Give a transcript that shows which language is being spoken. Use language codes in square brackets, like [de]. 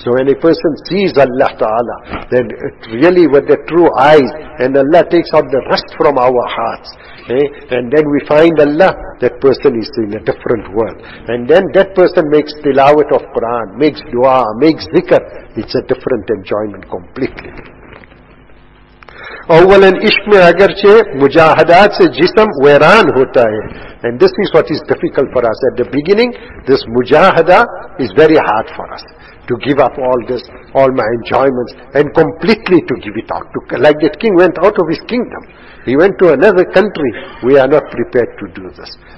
[en] So when a person sees Allah ta'ala, then it really with the true eyes, and Allah takes out the rust from our hearts. And then we find Allah, that person is in a different world. And then that person makes tilawat of Quran, makes dua, makes zikr. It's a different enjoyment completely. [ur] اولاً عشق میں اگرچہ مجاہدات سے جسم ویران ہوتا ہے. [en] And this is what is difficult for us. At the beginning, this mujahada is very hard for us. To give up all this, all my enjoyments, and completely to give it out. Like that king went out of his kingdom. He went to another country. We are not prepared to do this.